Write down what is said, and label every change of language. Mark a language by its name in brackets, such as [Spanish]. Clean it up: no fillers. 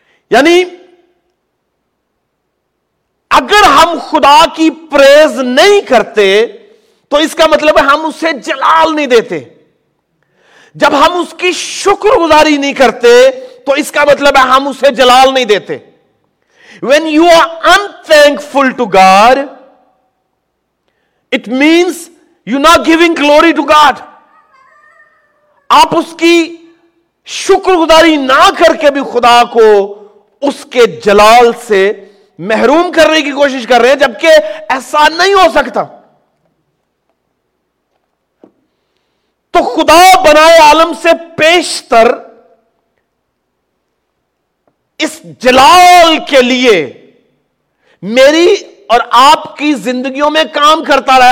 [Urdu] یعنی اگر ہم خدا کی پریز نہیں کرتے تو اس کا مطلب ہے ہم اسے جلال نہیں دیتے. جب ہم اس کی شکر گزاری نہیں کرتے تو اس کا مطلب ہے ہم اسے جلال نہیں دیتے. [English] When you are unthankful to God, it means you're not giving glory to God. [Urdu] آپ اس کی شکر گزاری نہ کر کے بھی خدا کو اس کے جلال سے محروم کرنے کی کوشش کر رہے ہیں، جبکہ ایسا نہیں ہو سکتا. تو خدا بنائے عالم سے پیشتر اس جلال کے لیے میری اور آپ کی زندگیوں میں کام کرتا رہا ہے.